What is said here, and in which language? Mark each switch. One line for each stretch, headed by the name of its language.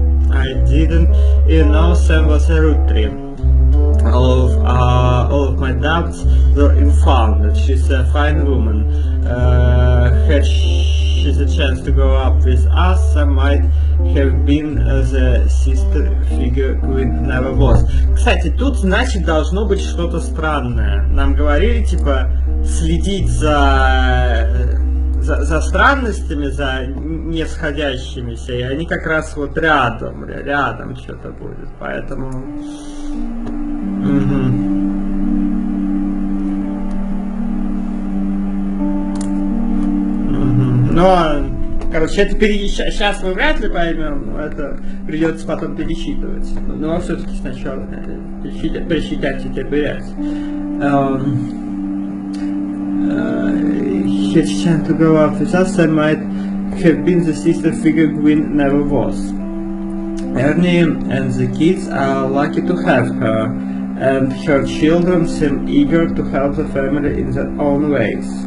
English: I didn't even know Sam was a root tree. All of my doubts were unfounded. She's a fine woman. Had she a chance to grow up with us, I might have been the sister figure Queen never was.
Russian: Кстати, тут, значит, должно быть что-то странное. Нам говорили, типа, следить за странностями, за несходящимися, и они как раз вот рядом что-то будет, поэтому... Но, короче, это пересчитывать. Сейчас мы вряд ли поймем, но это придется потом пересчитывать. Но все-таки сначала пересчитать это блять.
English: Had she chance to grow up with us, I might have been the sister figure Gwyn never was. Ernie and the kids are lucky to have her, and her children seem eager to help the family in their own ways.